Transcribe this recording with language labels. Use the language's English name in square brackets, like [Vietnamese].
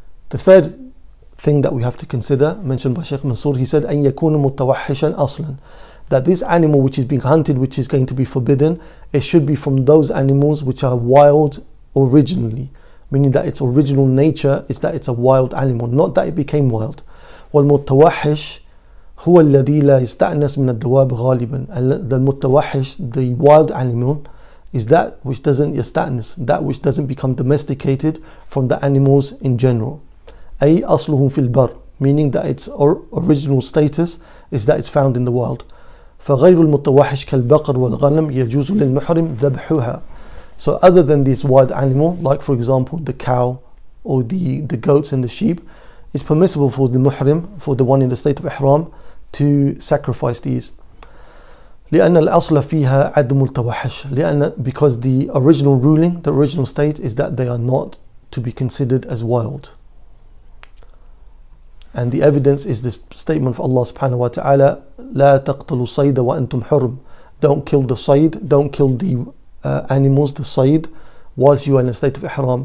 [English] The third thing that we have to consider, mentioned by Sheikh Mansour, he said, [Arabic] أَنْ يَكُونُ مُتَوَحِّشًا أَصْلًا, [English] that this animal which is being hunted, which is going to be forbidden, it should be from those animals which are wild originally, meaning that its original nature is that it's a wild animal, not that it became wild. [Arabic] والمتوحش هو الذي لا يستأنس من الدواب غالبا. [English] المتوحش, the wild animal, is that which doesn't يستأنس, that which doesn't become domesticated from the animals in general. [Arabic] أي أصله في البر, [English] meaning that its original status is that it's found in the wild. [Arabic] فغير المتوحش كالبقر والغنم يجوز للمحرم ذبحها. [English] So other than this wild animal, like for example the cow or the goats and the sheep, it's permissible for the muhrim, for the one in the state of ihram, to sacrifice these. [Arabic] لأن الأصل فيها عدم التوحش. [English] Because the original ruling, the original state, is that they are not to be considered as wild. And the evidence is this statement of Allah subhanahu wa ta'ala, [Arabic] لا تقتلوا الصيد وأنتم حرم. [English] Don't kill the صيد, don't kill the animals, the صيد, whilst you are in a state of ihram.